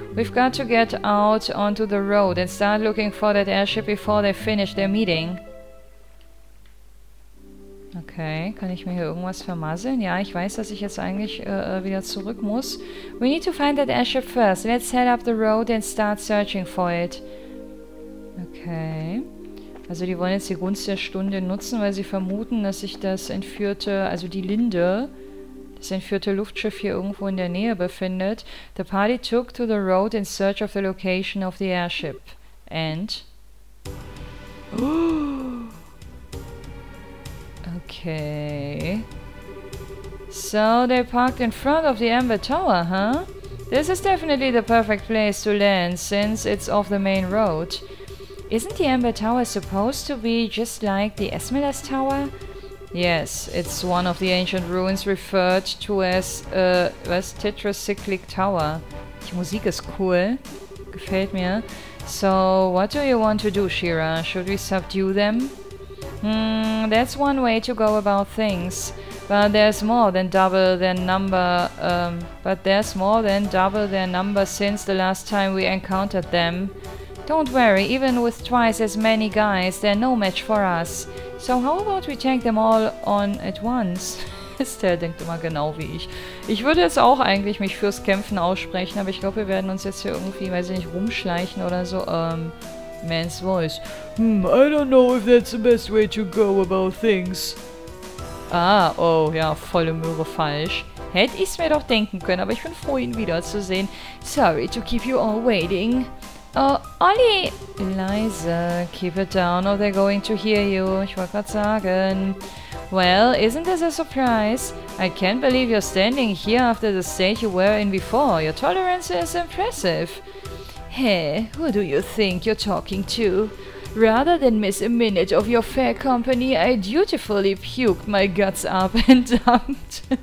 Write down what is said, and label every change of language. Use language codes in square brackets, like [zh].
[en] We've got to get out onto the road and start looking for that airship before they finish their meeting. [de] Okay, kann ich mir hier irgendwas vermasseln? Ja, ich weiß, dass ich jetzt eigentlich wieder zurück muss. [en] We need to find that airship first. Let's head up the road and start searching for it. Okay. [de] Also die wollen jetzt die Gunst der Stunde nutzen, weil sie vermuten, dass sich das entführte, also die Linde, das entführte Luftschiff hier irgendwo in der Nähe befindet. [en] The party took to the road in search of the location of the airship. And? Okay. So they parked in front of the Amber Tower, huh? This is definitely the perfect place to land, since it's off the main road. Isn't the Amber Tower supposed to be just like the Esmeralda's Tower? Yes, it's one of the ancient ruins referred to as Tetracyclic Tower. [de] Die Musik ist cool. Gefällt mir. [en] So, what do you want to do, Shira? Should we subdue them? That's one way to go about things. But there's more than double their number. Since the last time we encountered them. Don't worry, even with twice as many guys, they're no match for us. So how about we take them all on at once? [de] Estelle denkt immer genau wie ich. Ich würde jetzt auch eigentlich mich fürs Kämpfen aussprechen, aber ich glaube, wir werden uns jetzt hier irgendwie, weiß ich nicht, rumschleichen oder so. [en] Man's voice. I don't know if that's the best way to go about things. [de] Ah, oh, ja, volle Möhre falsch. Hätte ich's mir doch denken können, aber ich bin froh, ihn wiederzusehen. [en] Sorry to keep you all waiting. Oh, Ollie! [de] Leise, [en] keep it down or they're going to hear you. [de] Ich wollte gerade sagen. [en] Well, isn't this a surprise? I can't believe you're standing here after the state you were in before. Your tolerance is impressive. Hey, who do you think you're talking to? Rather than miss a minute of your fair company, I dutifully puked my guts up and dumped.